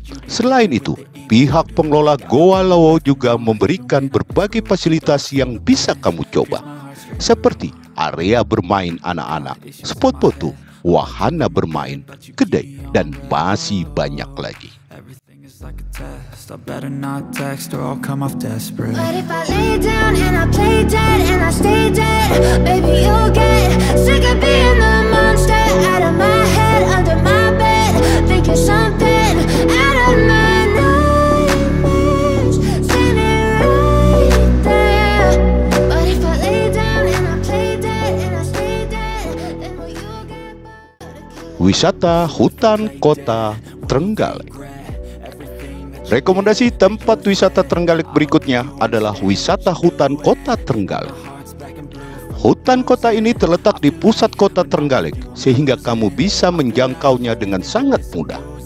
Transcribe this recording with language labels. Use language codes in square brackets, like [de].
[id] Selain itu, pihak pengelola Goa Lau juga memberikan berbagai fasilitas yang bisa kamu coba, seperti area bermain anak-anak, spot foto, wahana bermain, kedai, dan masih banyak lagi. [en] Like a test, I better not text or I'll come off desperate. But if I lay down and I play dead and I stay dead, baby you'll get sick of being the monster. Out of my head, under my bed, thinking something out of my nightmares, standing right there. But if I lay down and I play dead and I stay dead, then will you get bored? [id] Wisata Hutan Kota Trenggalek. Rekomendasi tempat wisata Trenggalek berikutnya adalah wisata hutan kota Trenggalek. Hutan kota ini terletak di pusat kota Trenggalek, sehingga kamu bisa menjangkaunya dengan sangat mudah.